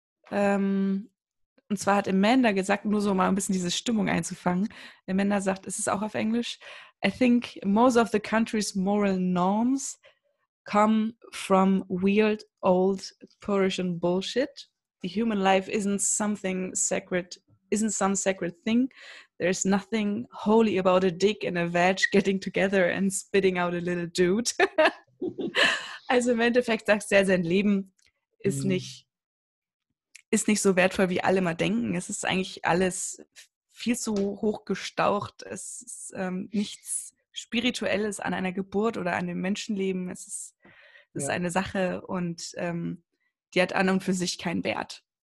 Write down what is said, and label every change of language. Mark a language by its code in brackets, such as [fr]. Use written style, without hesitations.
[de] Und zwar hat Amanda gesagt, nur so mal ein bisschen diese Stimmung einzufangen. Amanda sagt, es ist auch auf Englisch, [en] I think most of the country's moral norms come from weird old Persian bullshit. The human life isn't something sacred, isn't some sacred thing. There's nothing holy about a dick and a vag getting together and spitting out a little dude. [de] Also im Endeffekt sagst du ja, sein Leben ist, ist nicht so wertvoll, wie alle mal denken. Es ist eigentlich alles viel zu hoch gestaucht. Es ist nichts Spirituelles an einer Geburt oder an dem Menschenleben. Es ist eine Sache und die hat an und für sich keinen Wert.